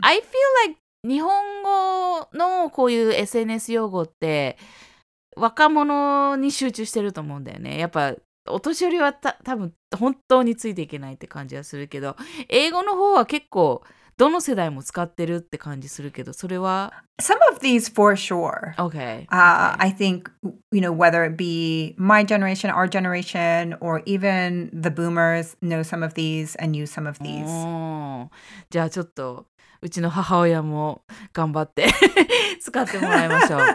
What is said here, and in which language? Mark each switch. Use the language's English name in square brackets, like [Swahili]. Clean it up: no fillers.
[English] I feel like [Japanese] 日本語のこういう SNS 用語って若者に集中してると思うんだよね。やっぱお年寄りは多分本当についていけないって感じはするけど、英語の方は結構どの世代も使ってるって感じするけど、それは [English] Some of these for sure. Okay. I think, you know, whether it be my generation, our generation, or even the boomers know some of these and use some of these. [Japanese] じゃあちょっとうちの母親も頑張って使ってもらいましょう。